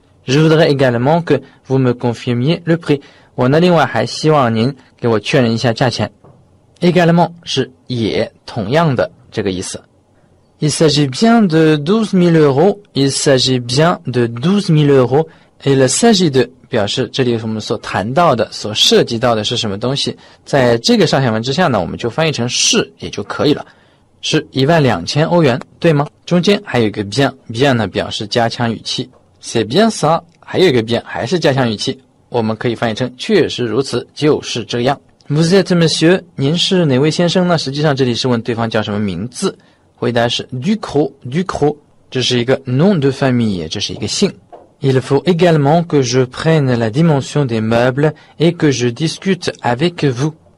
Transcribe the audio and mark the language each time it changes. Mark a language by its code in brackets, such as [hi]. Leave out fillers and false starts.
[fr] Je voudrais également que vous me confirmiez le prix. [zh] 我呢，另外还希望您给我确认一下价钱。Également 是也，同样的这个意思。 [fr] Il s'agit bien de 12 000 euros. Il s'agit bien de 12 000 euros. Il s'agit de [zh] 表示这里我们所谈到的、所涉及到的是什么东西。在这个上下文之下呢，我们就翻译成是也就可以了。是12000欧元, 对吗?中间还有一个 bien, bien 呢表示加强语气, [fr] c'est bien ça, [zh] 还有一个 bien, 还是加强语气, 我们可以翻译成确实如此,就是这样。 [fr] Vous êtes monsieur, [zh] 您是哪位先生呢?实际上这里是问对方叫什么名字, 回答是 Ducrot, Ducrot, 这是一个 [fr] nom de famille, [zh] 这是一个姓。 [fr] Il faut également que je prenne la dimension des meubles et que je discute avec vous.